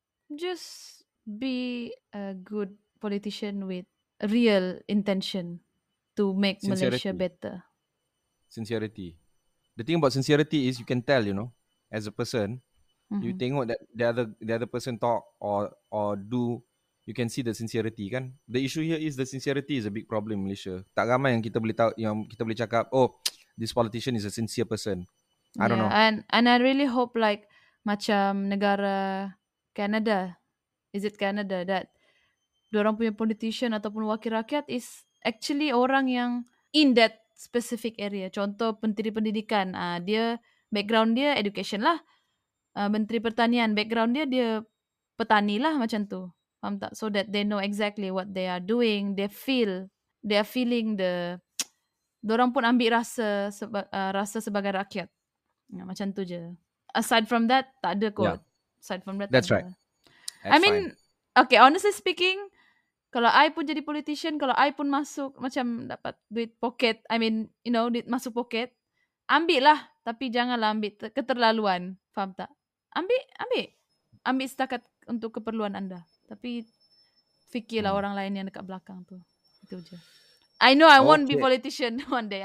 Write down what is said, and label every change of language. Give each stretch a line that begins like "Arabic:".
English: Just be a good politician with real intention to make Malaysia better. Sincerity. The thing about sincerity is you can tell, you know, as a person, mm-hmm. you tengok that the other person talk or do, you can see the sincerity, kan? The issue here is the sincerity is a big problem in Malaysia.
Malay: Tak ramai yang kita boleh tahu, yang kita boleh cakap,
English: oh, this politician is a sincere person. I don't know. And I really hope like macam negara Canada, is it Canada, that
Malay: diorang punya politician ataupun wakil rakyat
English: is actually orang yang in that specific area.
Malay: Contoh menteri pendidikan, dia background dia education lah. Menteri pertanian background dia petani lah, macam tu. Faham tak?
English: So that they know exactly what they are doing, they are feeling the,
Malay: diorang pun ambil rasa sebagai rakyat. Ya, macam tu je.
English: Aside from that,
Malay: tak ada kot. Yeah. Aside from that,
English: that's
Malay: tak
English: right.
Malay: Ada.
English: That's, I mean, fine. Okay, honestly speaking,
Malay: kalau I pun jadi politician,
English: kalau I pun masuk macam dapat duit pocket, I mean, you know,
Malay: duit masuk pocket, ambil lah. Tapi janganlah ambil keterlaluan. Faham tak? Ambil setakat untuk keperluan anda. Tapi fikirlah orang lain yang dekat belakang tu. Itu je.
English: I know I won't be politician one day.